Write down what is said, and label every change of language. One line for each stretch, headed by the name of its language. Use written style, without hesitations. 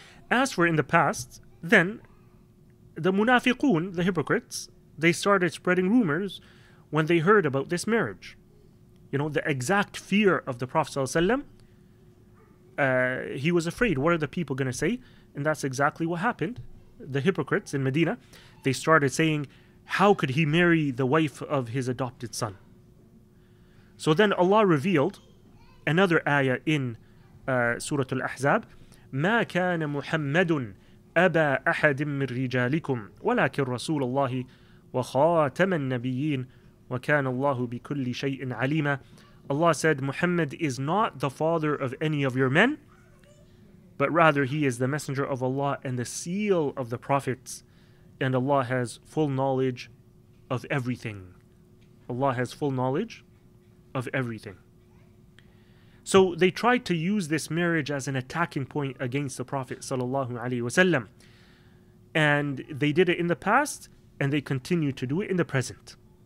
English: As for in the past, then the munafiqun, the hypocrites, they started spreading rumors when they heard about this marriage. You know, the exact fear of the Prophet ﷺ, he was afraid. What are the people going to say? And that's exactly what happened. The hypocrites in Medina, they started saying, how could he marry the wife of his adopted son? So then Allah revealed another ayah in Surah Al-Ahzab,
Arabic: مَا كَانَ مُحَمَّدٌ أَبَى أَحَدٍ مِّن رِجَالِكُمْ وَلَكِنْ رَسُولَ اللَّهِ وَخَاتَمَ النَّبِيِّينَ وَكَانَ اللَّهُ بِكُلِّ شَيْءٍ عَلِيمًا.
English: Allah said, Muhammad is not the father of any of your men, but rather he is the messenger of Allah and the seal of the prophets, and Allah has full knowledge of everything. Allah has full knowledge of everything. So they tried to use this marriage as an attacking point against the Prophet sallallahu alaihi wasallam, and they did it in the past, and they continue to do it in the present.